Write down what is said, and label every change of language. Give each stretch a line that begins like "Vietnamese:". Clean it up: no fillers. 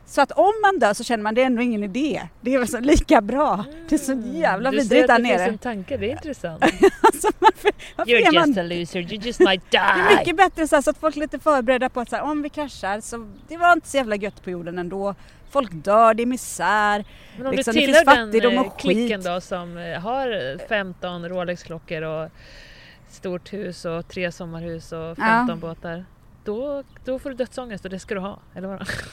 Swedish: Så att om man dör så känner man, det är ändå ingen idé. Det är väl så lika bra. Det är så jävla vidrigt där nere. Det är en tanke, det är intressant. Alltså,
English: you're just a loser, you just might die.
Swedish: Det är mycket bättre så att folk är lite förberedda på att så här, om vi kraschar så det var inte så jävla gött på jorden ändå. Folk dör, det är misär. Men om liksom, du tillhör fattigdom och klicken då, som har 15 Rolex-klockor och stort hus och 3 sommarhus och 15 båtar, då får du dödsångest och det ska du ha, eller vadå?